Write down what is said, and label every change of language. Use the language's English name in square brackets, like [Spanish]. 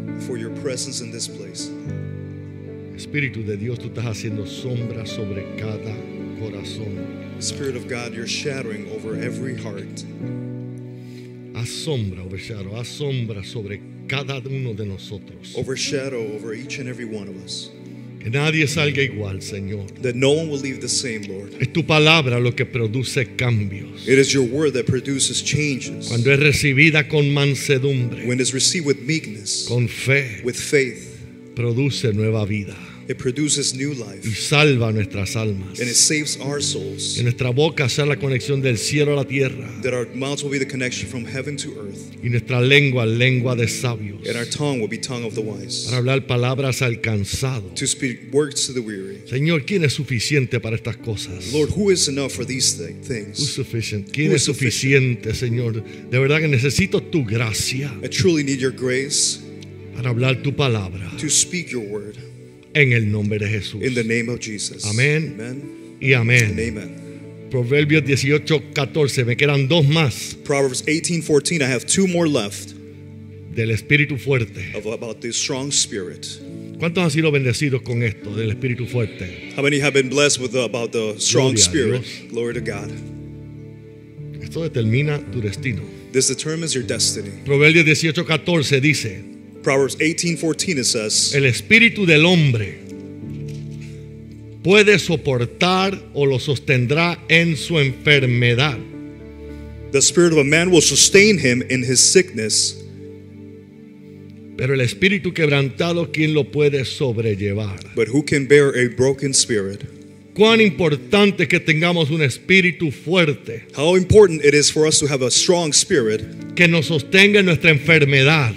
[English] For your presence in this place. [Spanish] Espíritu de Dios, tú estás haciendo sombra sobre cada corazón. [English] Spirit of God, you're shadowing over every heart. [Spanish] Asombra sobre cada uno de nosotros. [English] Overshadow over each and every one of us. [Spanish] Que nadie salga igual, Señor. [English] That no one will leave the same, Lord. [Spanish] Es tu palabra lo que produce cambios. [English] It is your word that produces changes. [Spanish] Cuando es recibida con mansedumbre. [English] When it's received with meekness. [Spanish] Con fe. [English] With faith. [Spanish] Produce nueva vida. [English] It produces new life. [Spanish] Y salva nuestras almas. [English] And it saves our souls. [Spanish] Que nuestra boca sea la conexión del cielo a la tierra. [English] That our mouths will be the connection from heaven to earth. [Spanish] Y nuestra lengua, lengua de sabios. [English] And our tongue will be tongue of the wise. [Spanish] Para hablar palabras al cansado. [English] To speak words to the weary. [Spanish] Señor, ¿quién es suficiente para estas cosas? [English] Lord, who is enough for these things? Who's sufficient? [Spanish] ¿Quién es suficiente, Señor? De verdad que necesito tu gracia. [English] I truly need your grace. [Spanish] Para hablar tu palabra. [English] To speak your word. [Spanish] En el nombre de Jesús. [English] In the name of Jesus. [Spanish] Amén. [English] Amen. [Spanish] Y amén. [English] Amen. [Spanish] Proverbios 18:14. Me quedan dos más. [English] Proverbs 18:14. I have two more left. [Spanish] Del Espíritu Fuerte. [English] Of, about the strong spirit. [Spanish] ¿Cuántos han sido bendecidos con esto del Espíritu Fuerte? [English] How many have been blessed with the, about the strong spirit? Glory to God. [Spanish] Esto determina tu destino. [English] This determines your destiny. [Spanish] Proverbios 18:14 dice. [English] Proverbs 18:14 it says, [Spanish] el espíritu del hombre puede soportar o lo sostendrá en su enfermedad. [English] The spirit of a man will sustain him in his sickness. [Spanish] Pero el espíritu quebrantado, ¿quién lo puede sobrellevar? [English] But who can bear a broken spirit? [Spanish] Cuán importante que tengamos un espíritu fuerte. [English] How important it is for us to have a strong spirit. [Spanish] Que nos sostenga en nuestra enfermedad.